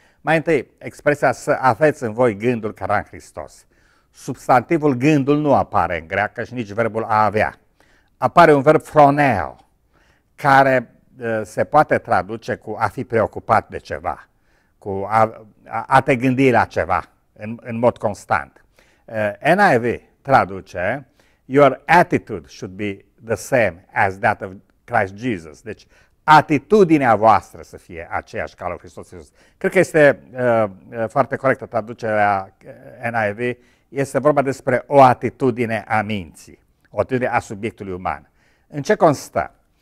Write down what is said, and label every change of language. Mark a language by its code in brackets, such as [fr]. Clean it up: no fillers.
[ro] Mai întâi, expresia să aveți în voi gândul care era în Hristos. Substantivul gândul nu apare în greacă și nici verbul a avea. Apare un verb phroneo, care se poate traduce cu a fi preocupat de ceva, cu a te gândi la ceva în mod constant. [en] NIV [ro] traduce, [en] your attitude should be the same as that of Christ Jesus. [ro] Deci, atitudinea voastră să fie aceeași ca lui Hristos Iisus. Cred că este foarte corectă traducerea NIV. Este vorba despre o atitudine a minții, o atitudine a subiectului uman. În ce constă?